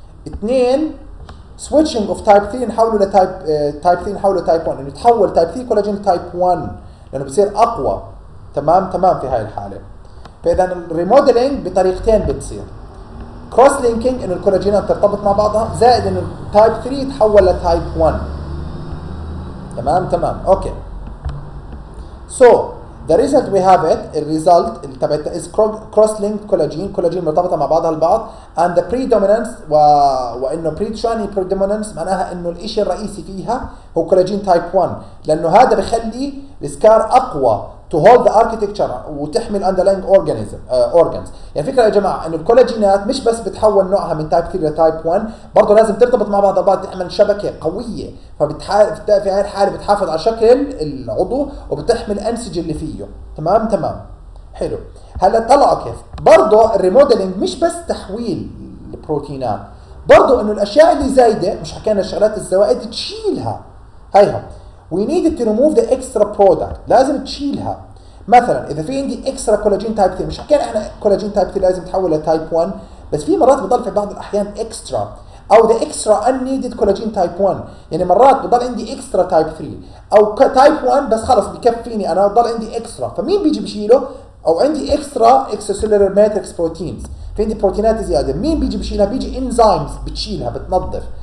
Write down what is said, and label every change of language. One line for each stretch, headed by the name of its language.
Arabic: اثنين
English: سويتشينج اوف تايب 3
Arabic: نحوله لتايب 1 انه يتحول تايب 3 كولاجين لتايب 1 لانه بصير اقوى. تمام في هاي الحالة. فإذا الريمودلينج بطريقتين بتصير. كروس لينكينج إنه الكولاجينات ترتبط مع بعضها زائد إنه تايب 3 يتحول لتايب 1. تمام أوكي.
English: So The result we have it, the result is cross-linked collagen, collagen
Arabic: مرتبطة مع بعضها البعض,
English: and the predominance,
Arabic: وإنه
English: pre-shiny predominance
Arabic: معناها إنه الإشي الرئيسي فيها هو
English: collagen type 1,
Arabic: لأنه هذا بخلي السكار أقوى
English: to hold the architecture
Arabic: وتحمي ال
English: underlying organism, organs.
Arabic: يعني فكرة يا جماعة إنه الكولاجينات مش بس بتحول نوعها من type 3 ل type 1, برضو لازم ترتبط مع بعضها البعض تعمل شبكة قوية, في هاي الحالة بتحافظ على شكل العضو وبتحمل الأنسجة اللي فيه. تمام تمام حلو. هلا طلعوا كيف برضو الريموديلينج مش بس تحويل البروتينات, برضو انه الاشياء اللي زايدة مش حكينا الشغلات الزوائد تشيلها هيها.
English: We need to remove the extra product,
Arabic: لازم تشيلها. مثلا اذا في عندي extra collagen type 3, مش حكينا احنا collagen type 3 لازم تحول ل type 1, بس في مرات بضل في بعض الاحيان extra أو
English: the extra unneeded collagen type 1,
Arabic: يعني مرات بضل عندي extra type 3 أو type 1 بس خلص بكفيني أنا بضل عندي extra, فمين بيجي بشيله؟ أو عندي
English: extra extracellular matrix proteins,
Arabic: في عندي بروتينات زيادة, مين بيجي بشيلها؟ بيجي enzymes بتشيلها بتنظف.